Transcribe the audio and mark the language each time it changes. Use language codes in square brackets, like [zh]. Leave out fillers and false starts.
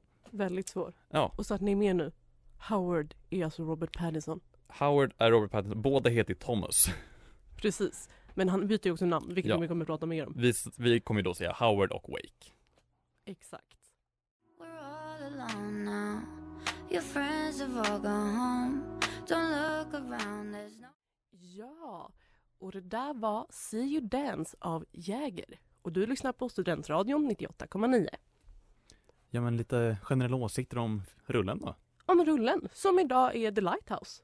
[sv] Väldigt svår. Ja. Och så att ni är med nu, Howard är alltså Robert Pattinson. Howard är Robert Pattinson, båda heter Thomas. Precis. Men han byter ju också namn, vilket ja. Vi kommer att prata mer om. Vi kommer ju då säga Howard och Wake. Exakt. [en] We're all alone now. Your friends have all gone home. Don't look around, there's no... [sv] Ja, och det där var See You Dance av Jäger. Och du lyssnar på Studentradion 98,9. Ja, men lite generella åsikter om rullen då? Om rullen, som idag är The Lighthouse.